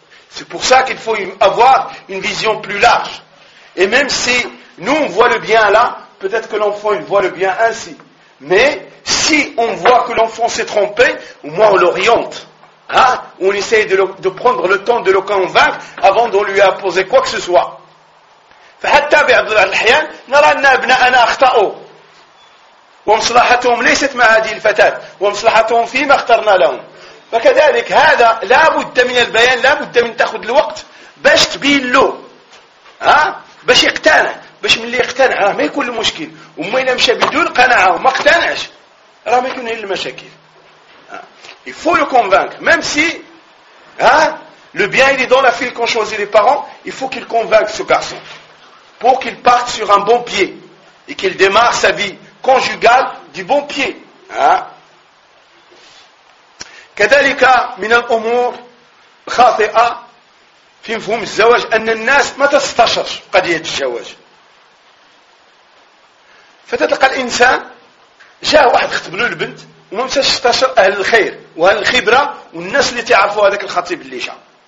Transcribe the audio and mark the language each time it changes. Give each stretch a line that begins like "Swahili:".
French: C'est pour ça qu'il faut avoir une vision plus large. Et même si nous on voit le bien là, peut-être que l'enfant il voit le bien ainsi. Mais si on voit que l'enfant s'est trompé, au moins on l'oriente. Hein? On essaye de prendre le temps de le convaincre avant de lui imposer quoi que ce soit.
Arabic: فحتى بعض الأحيان نرى أن أبناءنا أخطأوا ومصلحتهم ليست مع هذه الفتاة ومصلحتهم فيما اخترنا لهم فكذلك هذا لا بد من البيان لا بد من تأخذ الوقت باش تبين له ها باش يقتنع، باش ملي يقتنع راه ما يكون المشكل، وما الا مشى بدون قناعه وما اقتنعش راه ما يكون غير المشاكل.
French: Il faut le convaincre, même si le bien il est dans la file qu'ont choisi les parents, il faut qu'il convainque ce garçon pour qu'il parte sur un bon pied et qu'il démarre sa vie conjugale du bon pied.
Arabic: كذلك من الأمور خاطئة في مفهوم الزواج أن الناس ما تستشرش قضية الزواج، فتلقى الإنسان جاء واحد خطب له البنت وما مساش استشر أهل الخير وأهل الخبرة والناس اللي تعرفوا هذاك الخطيب اللي جاء،